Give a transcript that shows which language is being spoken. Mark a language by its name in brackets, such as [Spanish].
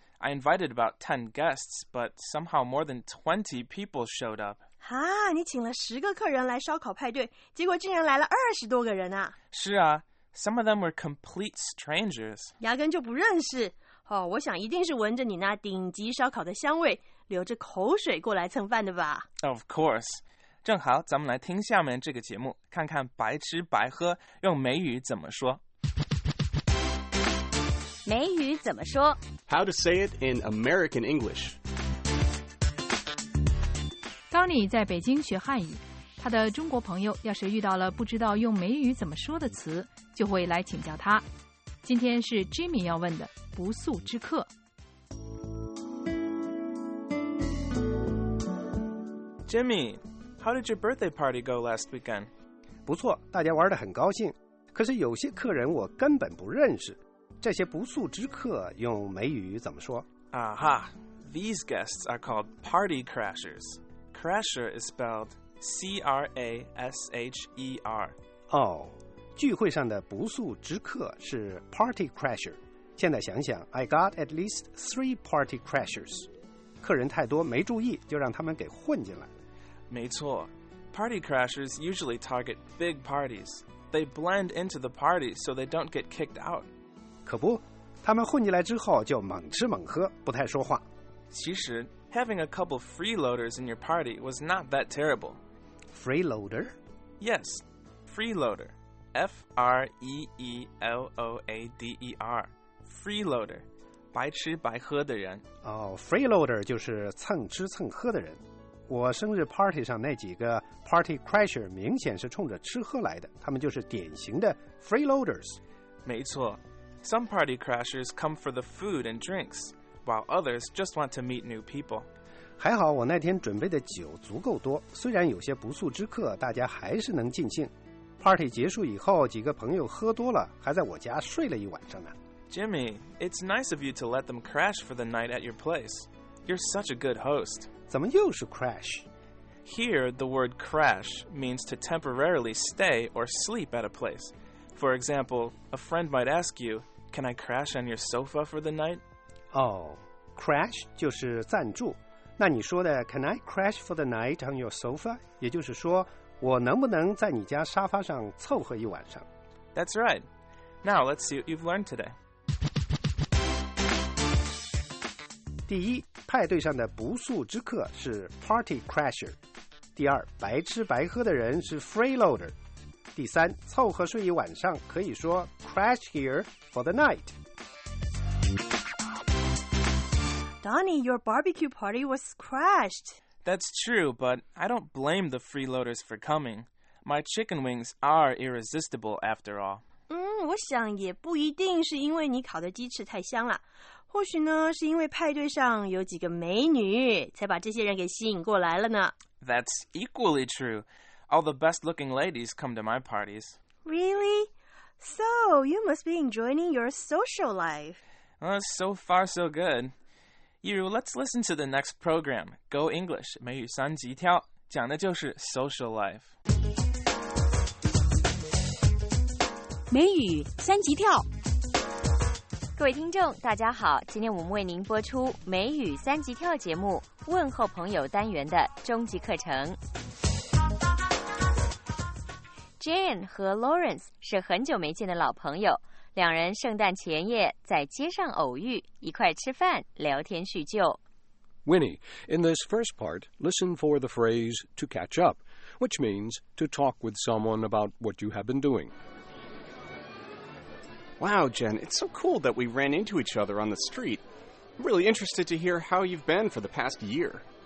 [English] I invited about 10 guests, but somehow more than 20 people showed up. [Chinese] 哈，你请了10个客人来烧烤派对，结果竟然来了20多个人啊。是啊， [English] some of them were complete strangers. [Chinese] 压根就不认识。哦，我想一定是闻着你那顶级烧烤的香味，流着口水过来蹭饭的吧。 [English] Of course. [Chinese] 正好咱们来听下面这个节目，看看白吃白喝用美语怎么说。美语怎么说？ [English] How to say it in American English. [Chinese] Tony 在北京学汉语，他的中国朋友要是遇到了不知道用美语怎么说的词，就会来请教他。今天是 Jimmy 要问的不速之客。 [English] Jimmy, how did your birthday party go last weekend? [Chinese] 不错，大家玩得很高兴，可是有些客人我根本不认识。这些不速之客用美语怎么说？ [English] Aha, these guests are called party crashers. Crasher is spelled C-R-A-S-H-E-R. [Chinese] 哦，聚会上的不速之客是 party crasher. 现在想想 [English] ，I got at least 3 party crashers. [Chinese] 客人太多，没注意，就让他们给混进来。没错 [English] ，party crashers usually target big parties. They blend into the party so they don't get kicked out. [Chinese] 可不，他们混进来之后就猛吃猛喝，不太说话。其实 [English] having a couple freeloaders in your party was not that terrible. Freeloader? Yes, freeloader. F-R-E-E-L-O-A-D-E-R. Freeloader. [Chinese] 白吃白喝的人。哦、oh, freeloader 就是蹭吃蹭喝的人。我生日 party 上那几个 party crasher 明显是冲着吃喝来的，他们就是典型的 freeloaders。没错， some party crashers come for the food and drinks, while others just want to meet new people. 还好我那天准备的酒足够多，虽然有些不速之客，大家还是能尽兴。 Party 结束以后，几个朋友喝多了，还在我家睡了一晚上呢。 [English] Jimmy, it's nice of you to let them crash for the night at your place. You're such a good host. 怎么又是 crash? Here, the word crash means to temporarily stay or sleep at a place. For example, a friend might ask you, can I crash on your sofa for the night? Oh, crash [Chinese] 就是暂住。那你说的 [English] can I crash for the night on your sofa? [Chinese] 也就是说我能不能在你家沙发上凑合一晚上? [English] That's right. Now, let's see what you've learned today. [Chinese] 第一，派对上的不速之客是 party crasher。第二，白吃白喝的人是 freeloader。第三，凑合睡一晚上可以说 [English] crash here for the night。 Donnie, your barbecue party was crashed. That's true, but I don't blame the freeloaders for coming. My chicken wings are irresistible, after all. [Chinese] 我想也不一定是因为你烤的鸡翅太香了。或许呢，是因为派对上有几个美女，才把这些人给吸引过来了呢。 [English] That's equally true. All the best-looking ladies come to my parties. Really? So, you must be enjoying your social life. So far, so good. You, let's listen to the next program, Go English, [Chinese] 美语三级跳,讲的就是 [English] social life. [Chinese] 美语三级跳。各位听众,大家好,今天我们为您播出美语三级跳节目,问候朋友单元的终极课程。 Jane 和 Lawrence 是很久没见的老朋友。两人圣诞前夜在街上偶遇，一块吃饭，聊天叙旧。 [English] Winnie, in this first part, listen for the phrase to catch up, which means to talk with someone about what you have been doing. Wow, Jen, it's so cool that we ran into each other on the street. I'm really interested to hear how you've been for the past year.